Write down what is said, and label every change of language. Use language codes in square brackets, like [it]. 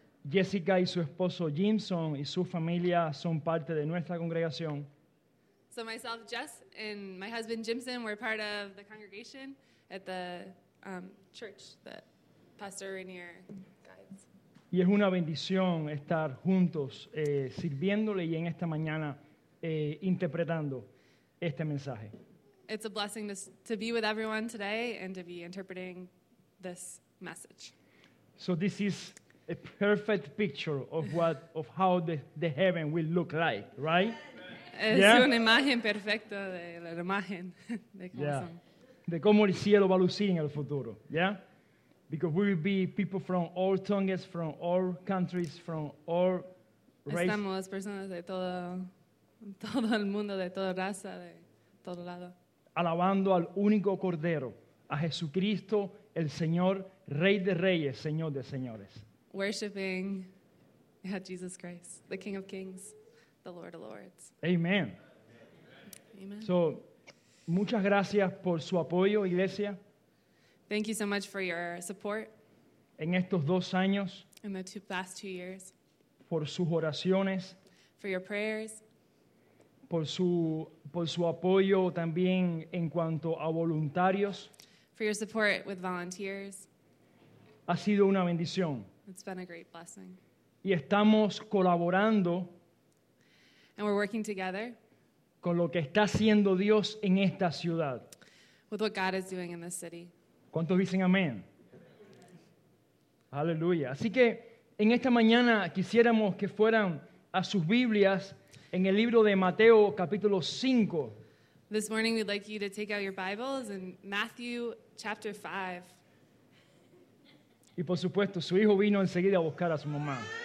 [es] Jessica y su esposo Jimson y su familia son parte de nuestra congregación. [en] So myself, Jess, and my husband Jimson, we're part of the congregation at the church that Pastor Rainier. [es] Y es una bendición estar juntos sirviéndole y en esta mañana interpretando este mensaje. [en] It's a blessing to be with everyone today and to be interpreting this message. So this is a perfect picture of how the heaven will look like, right? Es yeah? [es] Una imagen perfecta de la imagen de cómo yeah. Son. De cómo el cielo va a lucir en el futuro, ¿ya? [en] Yeah? Because we will be people from all tongues, from all countries, from all races. [es] Estamos personas de todo el mundo, de toda raza, de todo lado. Alabando al único Cordero, a Jesucristo, el Señor, Rey de Reyes, Señor de Señores. [en] Worshiping Jesus Christ, the King of Kings, the Lord of Lords. Amen. Amen. [es] So, muchas gracias por su apoyo, Iglesia. [en] Thank you so much for your support. [es] En estos dos años. [en] In the past 2 years. [es] Por sus oraciones. [en] For your prayers. [es] Por su apoyo también en cuanto a voluntarios. [en] For your support with volunteers. [es] Ha sido una bendición. [en] It's been a great blessing. [es] Y estamos colaborando. [en] And we're working together. [es] Con lo que está haciendo Dios en esta ciudad. [en] With what God is doing in this city. [es] ¿Cuántos dicen amén? Aleluya. Así que en esta mañana quisiéramos que fueran a sus Biblias en el libro de Mateo capítulo 5. [en] This morning we'd like you to take out your Bibles in Matthew chapter 5. [es] Y por supuesto, su hijo vino enseguida a buscar a su mamá.